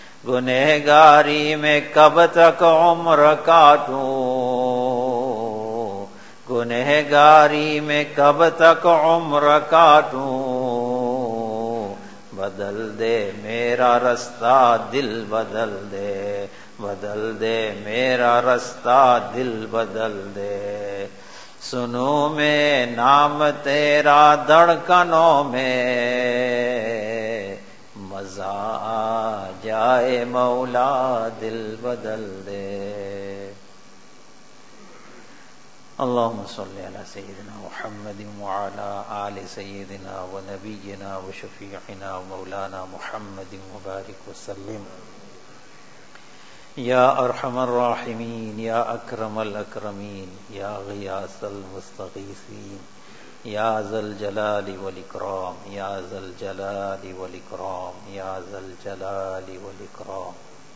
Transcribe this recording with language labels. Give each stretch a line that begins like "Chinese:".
Urdu: گنہگاری میں کب تک عمر کاٹوں, گنہگاری میں کب تک عمر کاٹوں, بدل دے میرا رستہ دل بدل دے, بدل دے میرا رستہ دل بدل دے. سنو میں نام تیرا دھڑکنوں میں مزہ آ جائے مولا دل بدل دے.
Arabic: اللهم صل على سيدنا محمد وعلى آل سيدنا ونبينا وشفيعنا مولانا محمد وبارك وسلم. يا ارحم الراحمين يا اكرم الاكرمين يا غياث المستغيثين يا ذا الجلال والاكرام يا ذا الجلال والاكرام يا ذا الجلال والاكرام.